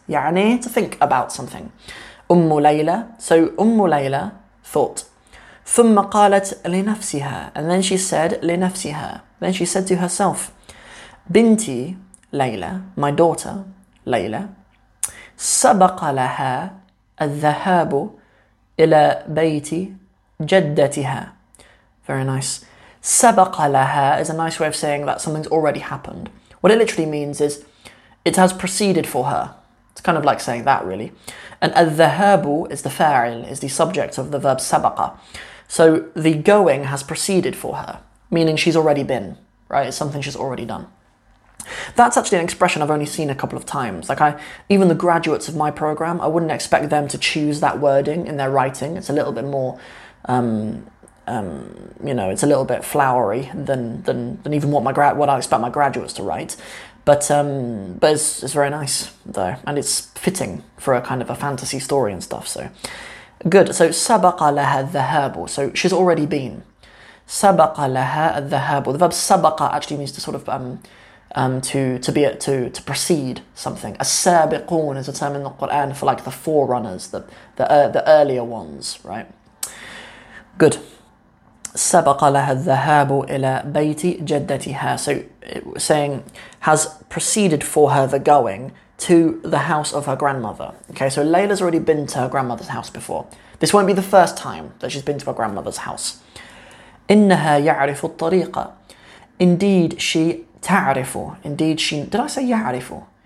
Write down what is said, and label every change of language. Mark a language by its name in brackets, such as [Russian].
[Arabic] يعني [English] to think about something. Ummu Layla. So Ummu Layla thought. [Arabic] ثم قالت لنفسها. [English] And then she said لنفسها. Then she said to herself. Binti Layla. My daughter Layla. [Arabic] سبق لها الذهاب إلى بيت جدتها. [English] Very nice. [Arabic] سبق لها [English] is a nice way of saying that something's already happened. What it literally means is it has proceeded for her. It's kind of like saying that, really. And الذهاب is the فاعل, is the subject of the verb سبق. So the going has proceeded for her, meaning she's already been, right? It's something she's already done. That's actually an expression I've only seen a couple of times. Like, even the graduates of my program, I wouldn't expect them to choose that wording in their writing. It's a little bit more, it's a little bit flowery than even what I expect my graduates to write. But it's very nice, though. And it's fitting for a kind of a fantasy story and stuff. So good. So [Arabic] سبق لها الذهاب. [English] So she's already been. [Arabic] سبق لها الذهاب. [English] The verb سبق actually means to sort of to precede something. السابقون is a term in the Quran for like the forerunners, the earlier ones, right? Good. [Arabic] سبق لها الذهاب إلى بيت جدتها. [English] So saying has preceded for her the going to the house of her grandmother. Okay, so Layla's already been to her grandmother's house before. This won't be the first time that she's been to her grandmother's house. [Arabic] إنها يعرف الطريقة. [English] Indeed, she تعرف. Indeed, she... Did I say يعرف?